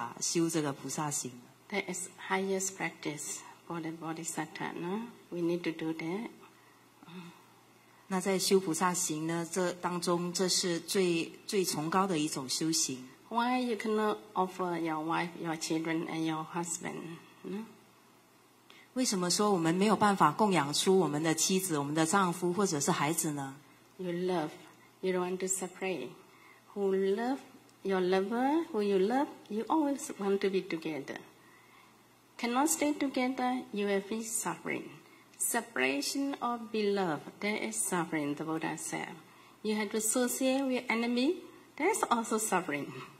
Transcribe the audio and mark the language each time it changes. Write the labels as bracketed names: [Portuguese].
[Chinese] 如果说是菩萨的话呢，这样就一定要布施，连我们的生命有人要，我们也要能够送出去。我们的器官也一样。如果我们想要成菩萨的话，我们就要把它给出去，要不然呢就没有办法修这个菩萨行。 [English] That is highest practice for the bodhisattva. No? We need to do that. [Chinese] 那在修菩萨行呢，这当中这是最崇高的一种修行。 [English] Why you cannot offer your wife, your children, and your husband? No? [Chinese] 为什么说我们没有办法供养出我们的妻子、我们的丈夫或者是孩子呢？ [English] You love. You don't want to separate. Who love your lover, who you love, you always want to be together. Cannot stay together, you will be suffering. Separation of beloved, that is suffering, the Buddha said. You have to associate with enemy, that is also suffering.